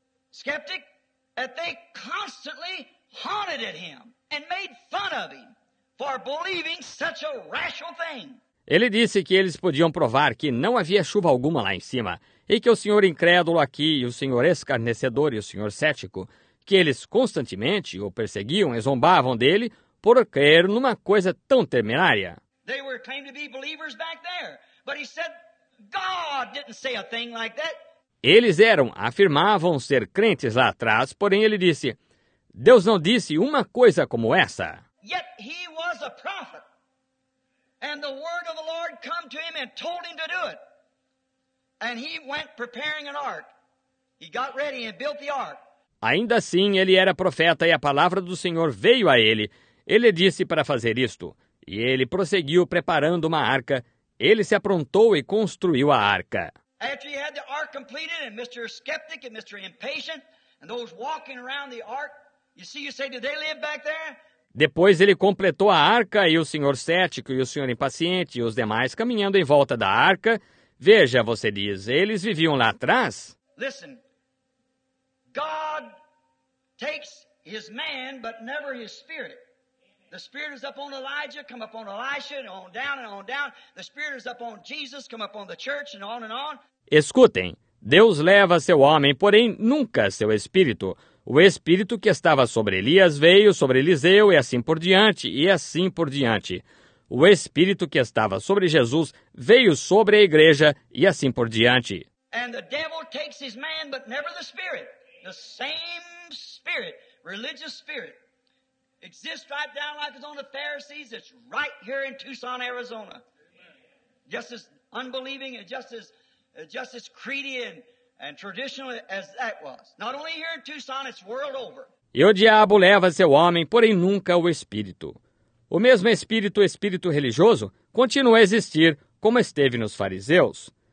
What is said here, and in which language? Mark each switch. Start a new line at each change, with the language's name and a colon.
English: Skeptic, that they constantly haunted at him and made fun of him for believing such a rational thing.
Portuguese: Ele disse que eles podiam provar que não havia chuva alguma lá em cima, e que o senhor incrédulo aqui, e o senhor escarnecedor e o senhor cético, que eles constantemente o perseguiam e zombavam dele por crer numa coisa tão temerária.
English: They were claimed to be believers back there, but he said God didn't say a thing like that.
Portuguese: Eles eram, afirmavam ser crentes lá atrás, porém ele disse, Deus não disse uma coisa como essa.
English: Yet he was a prophet, and the word of the Lord come to him and told him to do it. And he went preparing an ark. He got ready and built the ark.
Portuguese: Ainda assim, ele era profeta e a palavra do Senhor veio a ele. Ele disse para fazer isto. E ele prosseguiu preparando uma arca. Ele se aprontou e construiu a arca.
English: After he had the ark completed, and Mr. Skeptic and Mr. Impatient, and those walking around the ark, you say, do they live back there?
Portuguese: Depois ele completou a arca e o senhor cético e o senhor impaciente e os demais caminhando em volta da arca. Veja, você diz, eles viviam lá atrás?
English: Listen, God takes his man, but never his spirit. The spirit is upon Elijah, come upon Elisha, and on down and on down. The spirit is upon Jesus, come upon the church, and on and on.
Portuguese: Escutem, Deus leva seu homem, porém nunca seu espírito. O espírito que estava sobre Elias veio sobre Eliseu e assim por diante, e assim por diante. O espírito que estava sobre Jesus veio sobre a igreja e assim por diante.
English: And the devil takes his man, but never the spirit. The same spirit, religious spirit, exists right down like it's on the Pharisees. It's right here in Tucson, Arizona. Just as unbelieving and just as creedy and traditional as that was. Not only here in Tucson, it's world over.
Portuguese: E o diabo leva seu homem, porém nunca o espírito. O mesmo espírito religioso, continua a existir como esteve nos fariseus.